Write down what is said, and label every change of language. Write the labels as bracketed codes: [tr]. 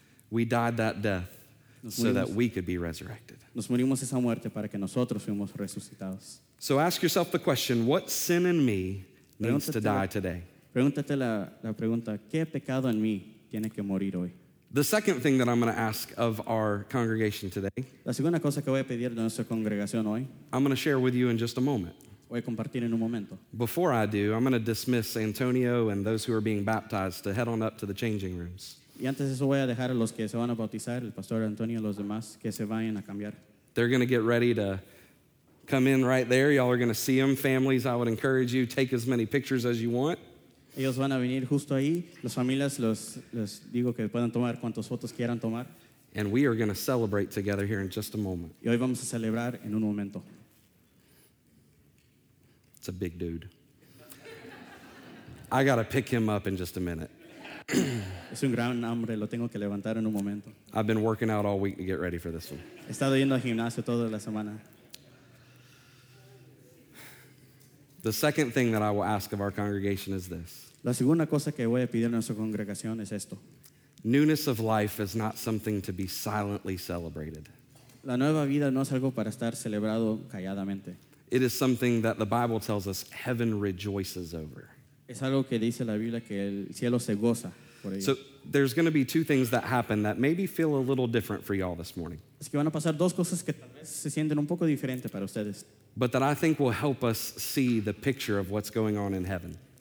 [en] We died that death so that we could be resurrected. [es] Nos morimos esa muerte para que nosotros fuimos resucitados. [en] So ask yourself the question, what sin in me needs to die today? [es] Pregúntate la pregunta, ¿qué pecado en mí tiene que morir hoy? [en] The second thing that I'm going to ask of our congregation today, [es] la segunda cosa que voy a pedir de nuestra congregación hoy, [en] I'm going to share with you in just a moment. [es] Voy a compartir en un momento. [en] Before I do, I'm going to dismiss Antonio and those who are being baptized to head on up to the changing rooms. [es] Y antes de eso voy a dejar a los que se van a bautizar, el pastor Antonio y los demás, que se vayan a cambiar. [en] They're going to get ready to come in right there. Y'all are going to see them. Families, I would encourage you, take as many pictures as you want. [es] Ellos van a venir justo ahí. Las familias, les digo que puedan tomar cuantas fotos quieran tomar. [en] And we are going to celebrate together here in just a moment. [es] Y hoy vamos a celebrar en un momento. [en] It's a big dude. I got to pick him up in just a minute. [es] Es un gran hombre, lo tengo que levantar en un momento. [en] I've been working out all week to get ready for this one. [es] He estado yendo al gimnasio toda la semana. [en] The second thing that I will ask of our congregation is this. [es] La segunda cosa que voy a pedir a nuestra congregación es esto. [en] Newness of life is not something to be silently celebrated. [es] La nueva vida no es algo para estar celebrado calladamente. [en] It is something that the Bible tells us heaven rejoices over. [es] Es algo que dice la Biblia que el cielo se goza por ello. [en] So there's going to be two things that happen that maybe feel a little different for y'all this morning. [es] Es que van a pasar dos cosas que tal vez se sienten un poco diferente para ustedes. [en] But that I think will help us see the picture of what's going on in heaven.